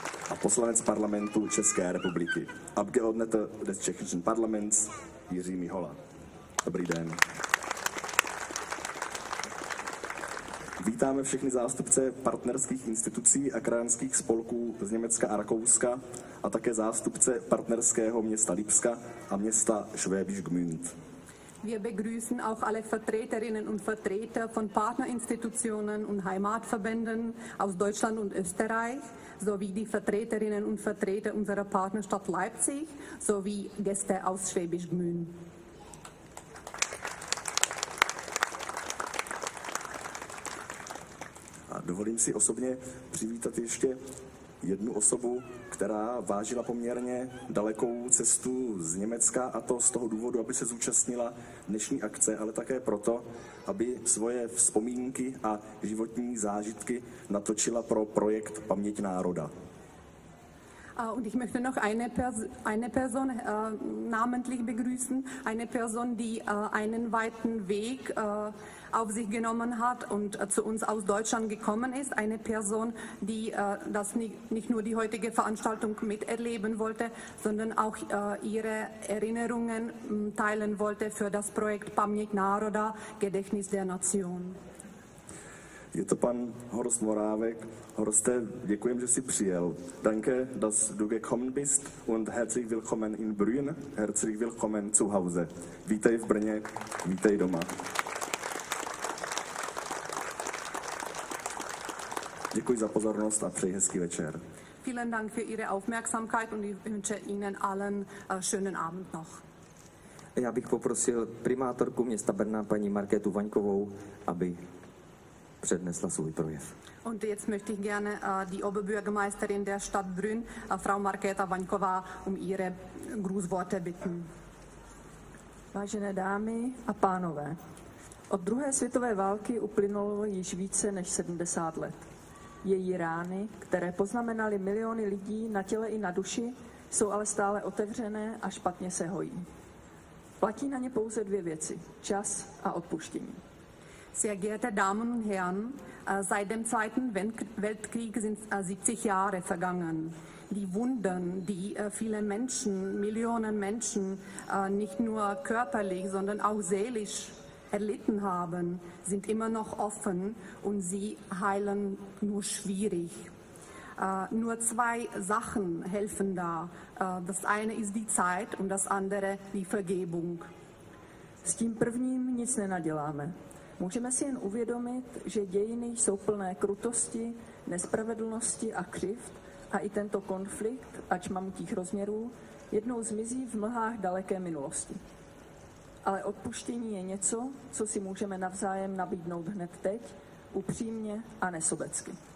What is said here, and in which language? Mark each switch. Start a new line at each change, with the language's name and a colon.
Czech: A poslanec parlamentu České republiky,
German: Abgeordneter des Tschechischen Parlaments,
Czech: Jiří Mihola. Dobrý den. Vítáme všechny zástupce partnerských institucí a krajanských spolků z Německa a Rakouska a také zástupce partnerského města Lipska a města Schwäbisch Gmünd.
German: Wir begrüßen auch alle Vertreterinnen und Vertreter von Partnerinstitutionen und Heimatverbänden aus Deutschland und Österreich, sowie die Vertreterinnen und Vertreter unserer Partnerstadt Leipzig, sowie Gäste aus Schwäbisch Gmünd.
Czech: Dovolím si osobně přivítat ještě jednu osobu, která vážila poměrně dalekou cestu z Německa, a to z toho důvodu, aby se zúčastnila dnešní akce, ale také proto, aby svoje vzpomínky a životní zážitky natočila pro projekt Paměť národa.
German: Und ich möchte noch eine Person namentlich begrüßen, eine Person, die einen weiten Weg auf sich genommen hat und zu uns aus Deutschland gekommen ist, eine Person, die das nicht nur die heutige Veranstaltung miterleben wollte, sondern auch ihre Erinnerungen teilen wollte für das Projekt Paměť národa, Gedächtnis der Nation.
Czech: Je to pan Horst Morávek. Horste, děkujem, že jsi přijel.
German: Danke, dass du gekommen bist und herzlich willkommen in Brünn, herzlich willkommen zu Hause.
Czech: Vítej v Brně, vítej doma. Děkuji za pozornost a přeji hezký večer.
German: Vielen Dank für Ihre Aufmerksamkeit und ich wünsche Ihnen allen schönen Abend noch.
Czech: Já bych poprosil primátorku města Brna, paní Markétu Vaňkovou, aby přednesla svůj projev.
German: Und jetzt möchte ich gerne die Oberbürgermeisterin der Stadt Brünn, Frau Markéta Vaňková, ihre Grußworte bitten.
Czech: Vážené dámy a pánové, od druhé světové války uplynulo již více než 70 let. Její rány, které poznamenaly miliony lidí na těle i na duši, jsou ale stále otevřené a špatně se hojí. Platí na ně pouze dvě věci, čas a odpuštění.
German: Sehr geehrte Damen und Herren, seit dem Zweiten Weltkrieg sind 70 Jahre vergangen. Die Wunden, die viele Menschen, Millionen Menschen, nicht nur körperlich, sondern auch seelisch erlitten haben, sind immer noch offen und sie heilen nur schwierig. Nur zwei Sachen helfen da. Das eine ist die Zeit und das andere die Vergebung.
Czech: S tím prvním nic nenaděláme. Můžeme si jen uvědomit, že dějiny jsou plné krutosti, nespravedlnosti a křivd a i tento konflikt, ač mamutích rozměrů, jednou zmizí v mlhách daleké minulosti. Ale odpuštění je něco, co si můžeme navzájem nabídnout hned teď, upřímně a nesobecky.